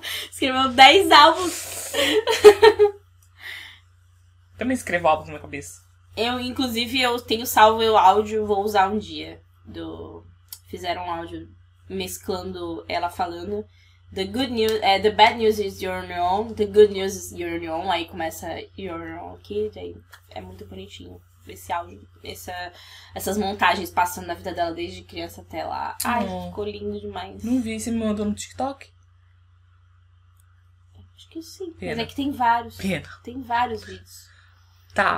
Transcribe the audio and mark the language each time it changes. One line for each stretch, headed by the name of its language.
Portuguese: Escreveu 10 álbuns. Também escrevo álbuns na minha cabeça. Eu, inclusive, eu tenho salvo o áudio. Vou usar um dia. Fizeram um áudio mesclando ela falando.
English: The good news, the bad news is you're on your own. The good news is you're on your own.
Portuguese: Aí começa
English: you're on your own kid.
Portuguese: Aí é muito bonitinho esse áudio. Essas montagens passando na vida dela desde criança até lá. Ai, ficou lindo demais. Não vi, você me mandou no TikTok? Acho que sim. Pena. Mas é que tem vários. Pena. Tem vários vídeos. Tá.